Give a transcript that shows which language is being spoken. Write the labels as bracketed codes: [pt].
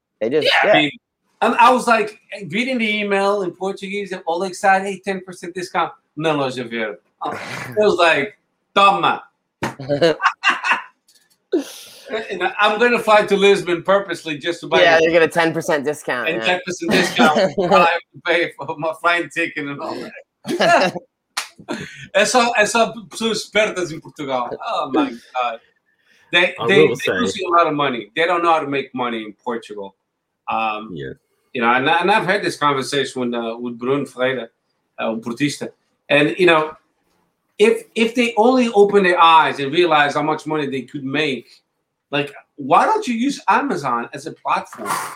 [en] I was like reading the email in Portuguese and all excited, hey, 10% discount. No, no, Javier. It was like, toma. I'm going to fly to Lisbon purposely just to buy. Yeah, you get a 10% discount. And 10% discount while I pay for my flight ticket and all that. [pt] Essa pessoas espertas em Portugal. [en] Oh my God. They're losing a lot of money. They don't know how to make money in Portugal. You know, and I've had this conversation with Bruno Freire, o Portista. And, you know, if they only open their eyes and realize how much money they could make, like, why don't you use Amazon as a platform?